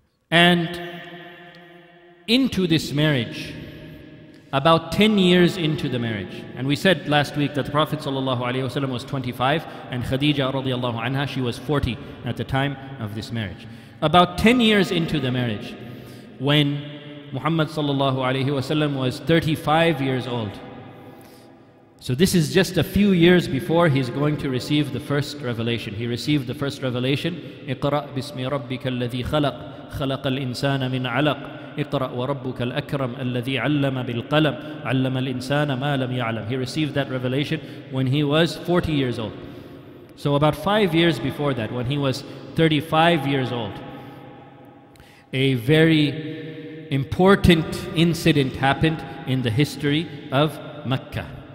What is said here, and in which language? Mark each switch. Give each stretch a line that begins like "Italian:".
English: And into this marriage, about 10 years into the marriage, and we said last week that the Prophet sallallahu alayhi wa sallam was 25 and Khadija radiallahu anha, she was 40 at the time of this marriage. About 10 years into the marriage, when Muhammad sallallahu alayhi wa sallam was 35 years old. So this is just a few years before he's going to receive the first revelation. He received the first revelation.
Arabic: اقرأ بسم ربك الذي خلق خلق الإنسان من علق اقرأ وربك الأكرم الذي علم بالقلم علم الإنسان ما لم يعلم.
English: He received that revelation when he was 40 years old. So about 5 years before that, when he was 35 years old, a very important incident happened in the history of Mecca.